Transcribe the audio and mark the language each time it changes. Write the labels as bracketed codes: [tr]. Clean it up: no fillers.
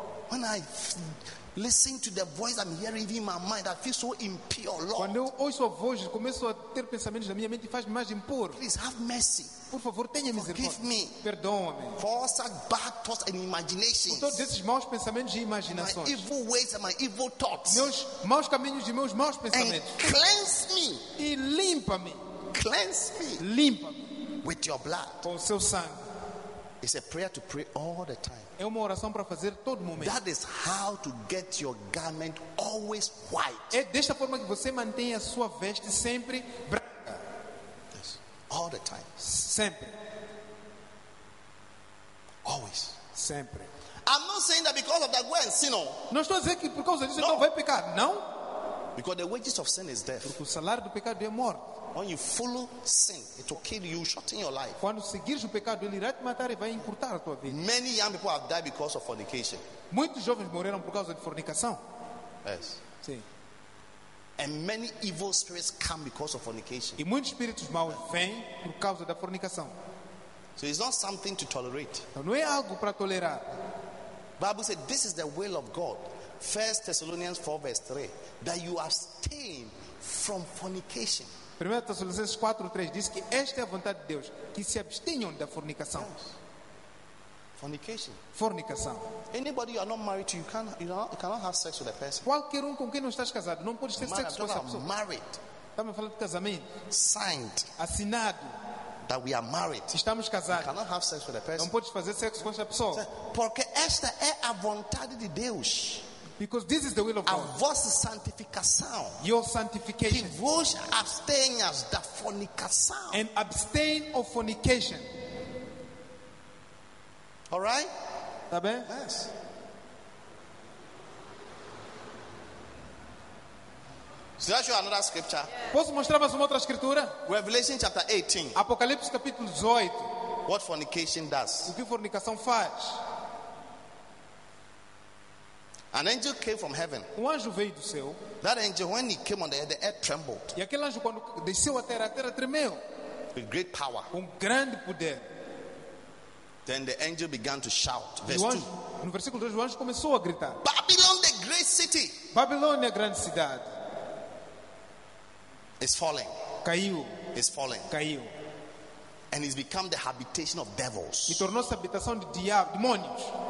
[en] When I listen to the voice I'm hearing even in my mind, I feel so impure, Lord. [pt] Quando eu ouço a voz, começo a ter pensamentos na minha mente e faz-me mais impuro. [en] Please have mercy. [pt] Por favor, tenha misericórdia. Perdoa-me. [en] For such bad thoughts and imaginations. [pt] Por todos esses maus pensamentos e imaginações. [en] My evil ways and my evil thoughts. [pt] Meus maus caminhos e meus maus pensamentos. [en] And cleanse me. [pt] E limpa-me. [en] Cleanse me. [pt] Limpa-me. [en] With your blood. [pt] Com o seu sangue. [en] It's a prayer to pray all the time. [pt] É uma oração para fazer todo momento. [en] That is how to get your garment always white. [pt] É desta forma que você mantém a sua veste sempre branca. [en] Yes. All the time. [pt] Sempre. [en] Always. [pt] Sempre. [en] I'm not saying that because of that go and sin. [pt] Não estou dizendo que por causa disso não vai pecar. Não. [en] Because the wages of sin is death. [pt] Porque o salário do pecado é morte. [en] When you follow sin, it will kill you, shorten your life. [pt] Quando seguires o pecado, ele irá te matar e vai encurtar a tua vida. [en] Many young people have died because of fornication. [pt] Muitos jovens morreram por causa de fornicação. [en] Yes. [pt] Sim. [en] And many evil spirits come because of fornication. [pt] E muitos espíritos maus vêm por causa da fornicação. [en] So it's not something to tolerate. [pt] Então não é algo para tolerar. [en] Bible said this is the will of God. 1 Thessalonians 4 verse 3, that you abstain from fornication. [pt] 1 Tessalonicenses 4:3 diz que esta é a vontade de Deus, que se abstenham da fornicação. [en] Yes. Fornication. [pt] Fornicação. [en] Anybody you are not married to, you cannot have sex with a person. [pt] Qualquer um com quem não estás casado, não pode ter [en] married, [pt] sexo com essa pessoa. [en] Married. [pt] Estamos falando de casamento. [en] Signed. [pt] Assinado. [en] That we are married. [pt] Estamos casados. [en] You cannot have sex with a person. [pt] Não podes fazer sexo com essa pessoa. Porque esta é a vontade de Deus. [en] Because this is the will of God. [pt] A vossa santificação. [en] Your sanctification. [pt] Que vos abstenhas da fornicação. [en] And abstain of fornication. All right? [pt] Tá bem? [en] Yes. Should I show another scripture? Yes. [pt] Posso mostrar mais uma outra escritura? [en] Revelation chapter 18. [pt] Apocalipse capítulo 18. [en] What fornication does? [pt] O que fornicação faz? [en] An angel came from heaven. [pt] Um anjo veio do céu. [en] That angel, when he came on the earth, trembled. [pt] E aquele anjo quando desceu a terra tremeu. [en] With great power. [pt] Com grande poder. [en] Then the angel began to shout. Verse 2. [pt] No versículo 2, o anjo começou a gritar. [en] Babylon, the great city. [pt] Babilônia, grande cidade. [en] Is falling. [pt] Caiu. [en] Is falling. [pt] Caiu. [en] And it's become the habitation of devils. [pt] E tornou-se habitação de diabos, demônios.